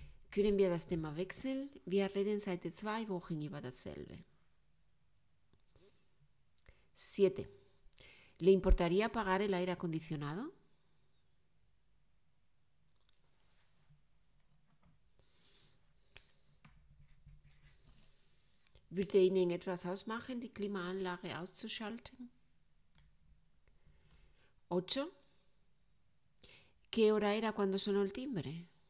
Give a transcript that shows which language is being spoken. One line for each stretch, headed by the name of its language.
German: Können wir das Thema wechseln? Wir reden seit 2 Wochen über dasselbe. 7.
Spanish: ¿Le importaría pagar el aire acondicionado?
German: ¿Würde Ihnen etwas ausmachen, die Klimaanlage auszuschalten? 8.
Spanish: ¿Qué hora era cuando sonó el timbre?